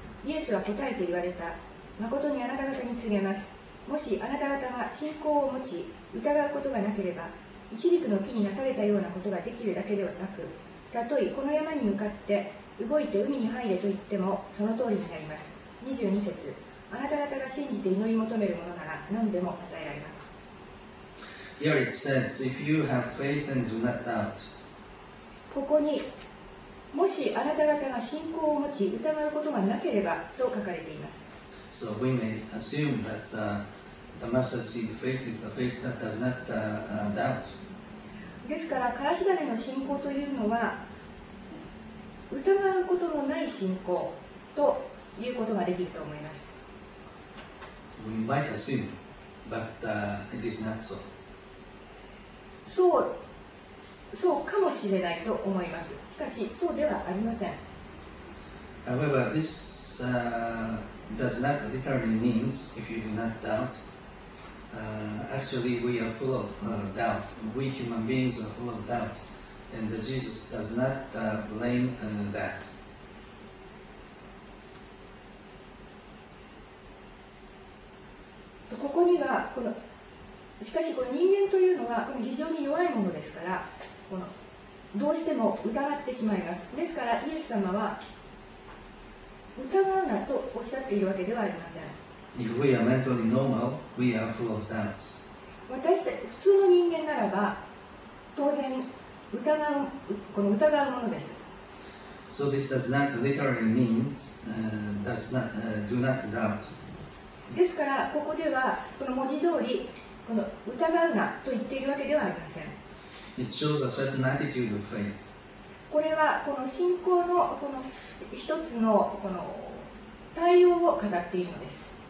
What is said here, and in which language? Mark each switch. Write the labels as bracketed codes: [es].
[ja] イエスは答えて言われた。まことにあなた方に告げます、もしあなた方が信仰を持ち疑うことがなければ、イチジクの木になされたようなことができるだけではなく、たとえこの山に向かって動いて海に入れと言ってもその通りになります。 22節、あなた方が信じて祈り求めるものなら何でも与えられます。 [en] Here it says, if you have faith and do not doubt、 [ja] ここにもしあなた方が信仰を持ち疑うことがなければと書かれています。 [en] So we may assume that the mustard seed faith is the faith that does not doubt. [ja] ですから、からし種の信仰というのは疑うことのない信仰ということができると思います。 [en] We might assume, but it is not so. [ja] そうかもしれないと思います。しかしそうではありません。 [en] However, this does not literally mean if you do not doubt. Actually, we are full of doubt. We human beings are full of doubt. And Jesus does not blame that. [ja] ここにはこの、しかしこの人間というのは非常に弱いものですから、どうしても疑ってしまいます。ですからイエス様は疑うなとおっしゃっているわけではありません。 [en] If we are mentally normal, we are full of doubts. [ja] 私たち普通の人間ならば当然疑うものです。 [en] So this does not literally mean do not doubt. [ja] ですからここではこの文字通りこの疑うなと言っているわけではありません。 [en] It shows a certain attitude of faith. [ja] これはこの信仰のこの一つのこの対応を語っているのです。